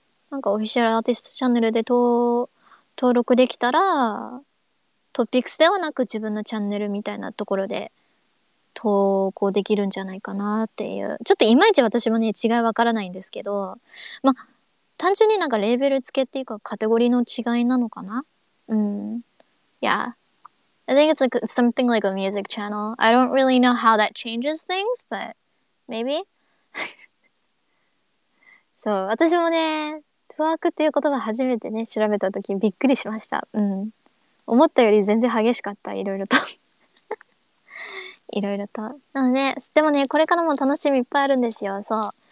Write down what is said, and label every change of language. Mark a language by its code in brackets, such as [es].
[ja] なんか、オフィシャルアーティストチャンネルで登録できたら、トピックスではなく自分のチャンネルみたいなところで投稿できるんじゃないかなっていう。ちょっといまいち私もね、違い分からないんですけど、まあ、単純になんかレーベル付けっていうかカテゴリーの違いなのかな？うん。Yeah. [en] I think it's like something like a music channel. I don't really know how that changes things, but maybe. [ja] そう、私もね、トワークっていう言葉初めてね、調べたときびっくりしました。うん。思ったより全然激しかった、いろいろと。いろいろと。なので、ね、でもね、これからも楽しみいっぱいあるんですよ。そう。